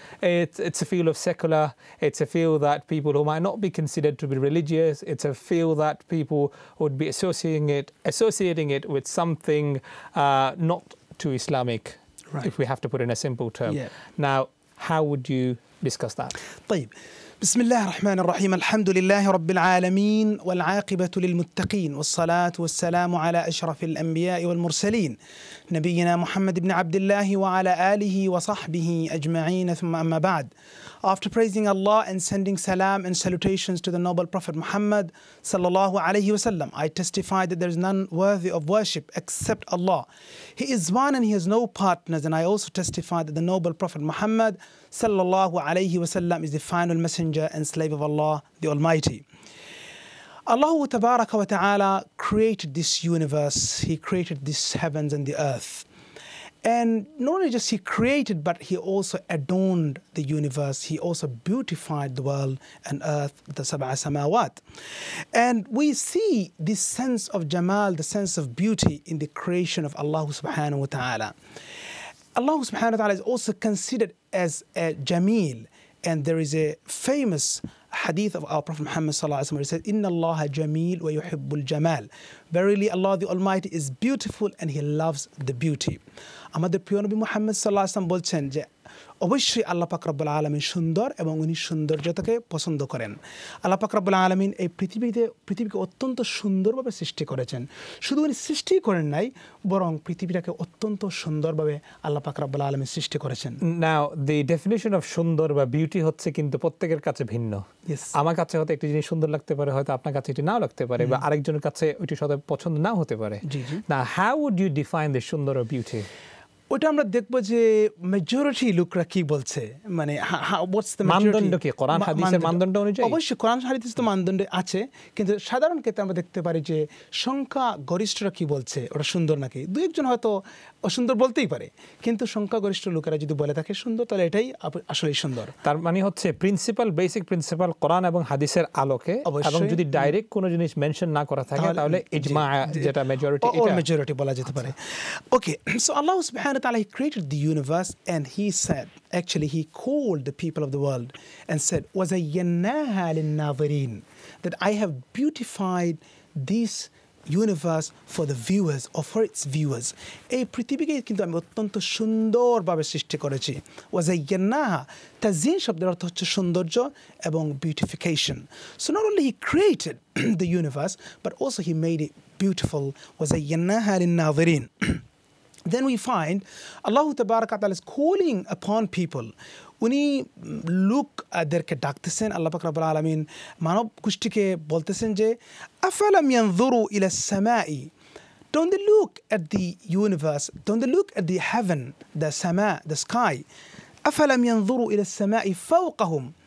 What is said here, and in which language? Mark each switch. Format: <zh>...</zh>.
<en>It's a field of secular, it's a field that people who might not be considered to be religious, it's a field that people would be associating it with something not too Islamic, right, if we have to put in a simple term. Yeah. Now, how would you discuss that?</en> <ar>طيب. بسم الله الرحمن الرحيم الحمد لله رب العالمين والعاقبة للمتقين والصلاة والسلام على أشرف الأنبياء والمرسلين نبينا محمد بن عبد الله وعلى آله وصحبه أجمعين ثم أما بعد.</ar> <en>After praising Allah and sending salam and salutations to the noble Prophet Muhammad sallallahu alayhi wasallam, I testify that there is none worthy of worship except Allah. He is one and he has no partners. And I also testify that the noble Prophet Muhammad sallallahu alayhi wasallam is the final messenger and slave of Allah, the Almighty. Allah tabaraka wa ta'ala created this universe. He created these heavens and the earth. And not only just he created, but he also adorned the universe. He also beautified the world and earth, the sab'a samawat. And we see this sense of jamal, the sense of beauty in the creation of Allah subhanahu wa ta'ala. Allah subhanahu wa ta'ala is also considered as a jameel. And there is a famous hadith of our Prophet Muhammad sallallahu alaihi wasallam. He said,</en> <ar>"Inna Allah jameel wa yuhibbul jamal."</ar> <en>Verily, Allah the Almighty is beautiful and he loves the beauty.</en> <bn>আমাদের প্রিয় নবী মুহাম্মদ সাল্লাল্লাহু আলাইহি ওয়াসাল্লাম বলছেন যে অবশ্যই আল্লাহ পাক রব্বুল আলামিন সুন্দর এবং উনি সৌন্দর্যকে পছন্দ করেন। আল্লাহ পাক রব্বুল আলামিন এই পৃথিবীকে অত্যন্ত সুন্দরভাবে সৃষ্টি করেছেন। শুধু উনি সৃষ্টি করেন নাই বরং পৃথিবীটাকে অত্যন্ত সুন্দরভাবে আল্লাহ পাক রব্বুল আলামিন সৃষ্টি করেছেন।</bn> <en>Now the definition of</en> <bn>সুন্দর বা বিউটি হচ্ছে কিন্তু প্রত্যেকের কাছে ভিন্ন।</bn> <en>Yes.</en> <bn>আমার কাছে হয়তো একটা জিনিস সুন্দর লাগতে পারে, হয়তো আপনার কাছে এটি নাও লাগতে পারে বা আরেকজনের কাছে ওইটি সদা পছন্দ নাও হতে পারে। জি জি।</bn> <en>Now how would you define the সুন্দর or beauty?</en> <bn>ওটা আমরা দেখবো যে মেজরিটি লোকরা কি বলছে, মানে</bn> <en>what's the majority?</en> <bn>মানদণ্ড কি কোরআন হাদিসের মানদণ্ড অনুযায়ী? অবশ্যই কোরআন হাদিসে তো মানদণ্ড আছে, কিন্তু সাধারণ ক্ষেত্রে আমরা দেখতে পারি যে সংখ্যা গরিষ্ঠরা কি বলছে ওটা সুন্দর নাকি। দু একজন হয়তো অসুন্দর বলতেই পারে, কিন্তু সংখ্যাগরিষ্ঠ লোকেরা যদি বলে থাকে সুন্দর, তাহলে এটাই আসলে সুন্দর। তার মানে হচ্ছে প্রিন্সিপাল, বেসিক প্রিন্সিপাল কোরআন এবং হাদিসের আলোকে, এবং যদি ডাইরেক্ট কোনো জিনিস মেনশন না করা থাকে তাহলে ইজমা, যেটা মেজরিটি, এটা মেজরিটি বলা যেতে পারে।</bn> <en>okay, so আল্লাহ সুবহানাহু ওয়া তাআলা created the universe and he said, actually he called the people of the world and said,</en> <ar>ওয়াজায়্যানাহা লিন-নাযিরিন,</ar> <en>That I have beautified this universe for the viewers or for its viewers.</en> <bn>এই পৃথিবীকে কিন্তু আমি অত্যন্ত সুন্দরভাবে সৃষ্টি করেছি। ওয়াজায়্যানাহা, তাজিন শব্দের অর্থ হচ্ছে সৌন্দর্য এবং beautification.</bn> <en>so not only he created the universe but also he made it beautiful,</en> <ar>ওয়াজায়্যানাহা লিন-নাযিরিন।</ar> <en>Then we find Allah Tabaraka Ta'ala is calling upon people.</en> <bn>উনি লুক আদেরকে ডাকতেছেন আল্লাহ পাক রব্বুল আলামিন মানব গোষ্ঠীকে বলতেছেন যে</bn> <ar>আফালাম ইয়ানযুরু ইলা সামাই,</ar> <en>don't they look at the universe, don't they look at the heaven, the sama, the sky,</en> <ar>afalam yanzuru ila samai fawqahum,</ar>